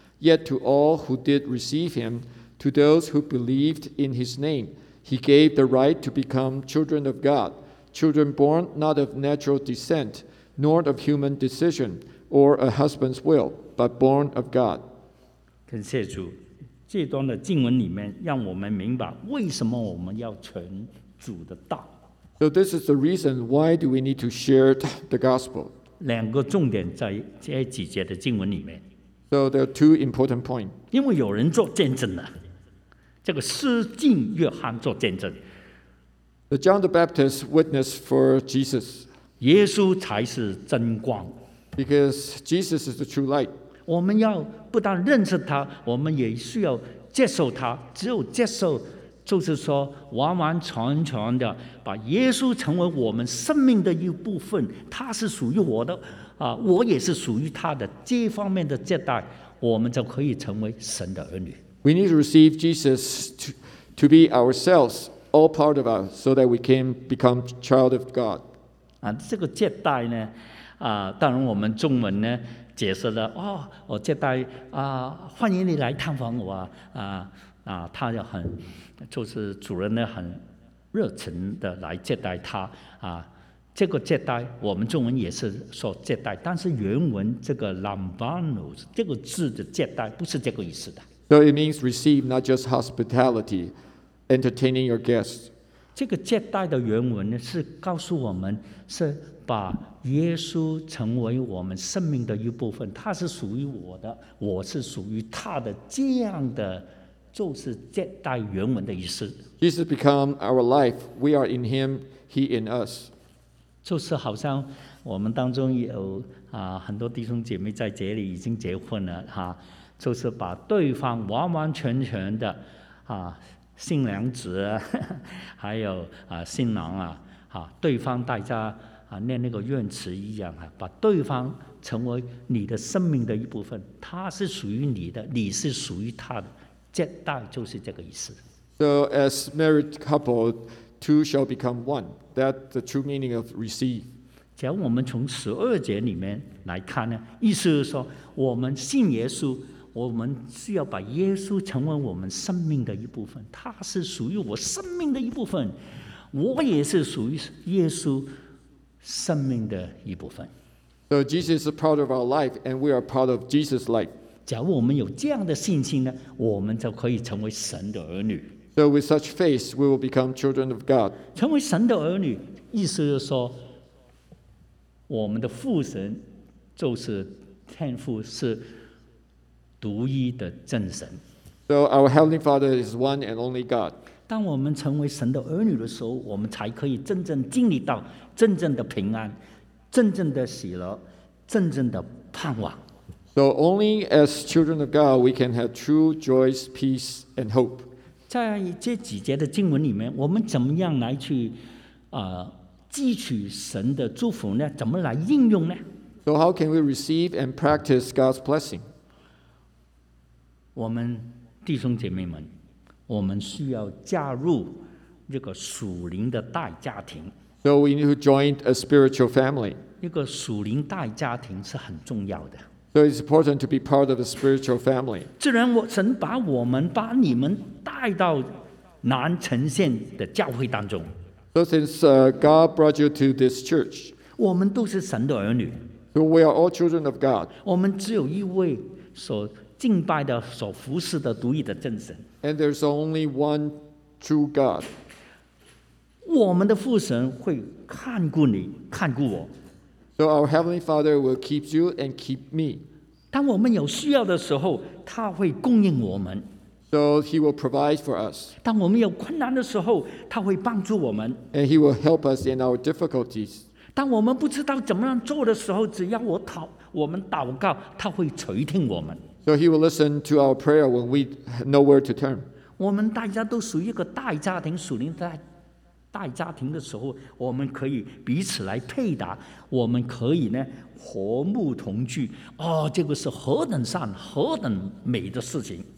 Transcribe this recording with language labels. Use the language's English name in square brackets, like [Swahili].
[English] Yet to all who did receive him, to those who believed in his name, he gave the right to become children of God, children born not of natural descent, nor of human decision, or a husband's will, but born of God. [Chinese] 感谢主，这段的经文里面让我们明白为什么我们要传主的道。 [English] So this is the reason why do we need to share the gospel. [Chinese] 两个重点在这几节的经文里面。 [English] So there are two important points. [Chinese] 因为有人做见证了，这个施浸约翰做见证。 [English] The John the Baptist witnessed for Jesus. [Chinese] 耶稣才是真光。 [English] Because Jesus is the true light. [Chinese] 我们要不但认识他，我们也需要接受他，只有接受就是说完完全全的把耶稣成为我们生命的一部分，他是属于我的，我也是属于他的，这方面的接待我们就可以成为神的儿女。 [English] We need to receive Jesus to be ourselves, all part of us, so that we can become child of God. [Chinese] 这个接待呢，当然我们中文呢解释了，我接待，欢迎你来探访我，他就很，就是主人呢很热情的来接待他，这个接待我们中文也是说接待，但是原文这个 lambanos 这个字的接待不是这个意思的。 [English] So it means receive, not just hospitality, entertaining your guests. [Chinese] 这个接待的原文呢是告诉我们是把耶稣成为我们生命的一部分，他是属于我的，我是属于他的，这样的就是接待原文的意思。 [English] Jesus become our life, we are in him, he in us. [Chinese] 就是好像我们当中有，很多弟兄姐妹在这里已经结婚了，就是把对方完完全全的，新娘子还有，新郎，对方大家，念那个愿词一样，把对方成为你的生命的一部分，他是属于你的，你是属于他的，接待就是这个意思。 [English] So as married couple, two shall become one. That's the true meaning of receive. [Chinese] 只要我们从十二节里面来看呢，意思是说，我们信耶稣，我们需要把耶稣成为我们生命的一部分，他是属于我生命的一部分，我也是属于耶稣生命的一部分。 [English] So Jesus is part of our life, and we are part of Jesus' life. [Chinese] 只要我们有这样的信心呢，我们就可以成为神的儿女。 [English] So with such faith, we will become children of God. [Chinese] 成为神的儿女，意思就是说，我们的父神就是天父，是独一的真神。 [English] So our heavenly Father is one and only God. [Chinese] 当我们成为神的儿女的时候，我们才可以真正经历到真正的平安，真正的喜乐，真正的盼望。 [English] So only as children of God, we can have true joy, peace, and hope. [Chinese] 在这几节的经文里面，我们怎么样来去，汲取神的祝福呢？怎么来应用呢？ [English] So how can we receive and practice God's blessing? [Chinese] 我们弟兄姐妹们，我们需要加入这个属灵的大家庭。 [English] So we need to join a spiritual family. [Chinese] 一个属灵大家庭是很重要的。 [English] So it's important to be part of a spiritual family. [Chinese] 既然神把我们把你们带到南城县的教会当中， [English] So since God brought you to this church, [Chinese] 我们都是神的儿女。 [English] So we are all children of God. [Chinese] 我们只有一位所敬拜的、所服侍的独一的真神。 [English] And there's only one true God. [Chinese] 我们的父神会看顾你、看顾我。 [English] So our Heavenly Father will keep you and keep me. [Chinese] 当我们有需要的时候，他会供应我们。 [English] So he will provide for us. [Chinese] 当我们有困难的时候，他会帮助我们。 [English] And he will help us in our difficulties. [Chinese] 当我们不知道怎么样做的时候，只要我们祷告，他会垂听我们。 [English] So he will listen to our prayer when we know where to turn. [Chinese] 我们大家都属于一个大家庭，属灵的大家庭的时候，我们可以彼此来配搭，我们可以呢和睦同居。这个是何等善、何等美的事情。